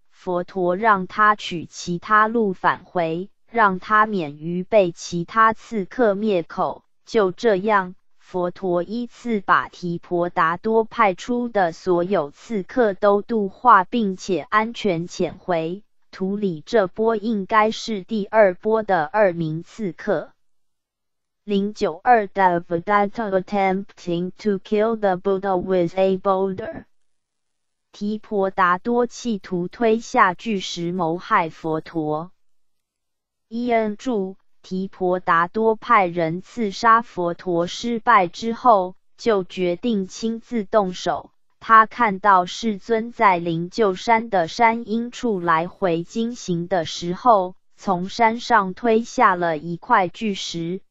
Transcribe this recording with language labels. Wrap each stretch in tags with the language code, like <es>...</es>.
<zh>佛陀让他取其他路返回，让他免于被其他刺客灭口。就这样，佛陀依次把提婆达多派出的所有刺客都度化，并且安全遣回。图里这波应该是第二波的二名刺客。</zh> <en>092 Devadatta attempting to kill the Buddha with a boulder，</en> <zh>提婆达多企图推下巨石谋害佛陀。注：提婆达多派人刺杀佛陀失败之后，就决定亲自动手。他看到世尊在灵鹫山的山阴处来回经行的时候，从山上推下了一块巨石。</zh>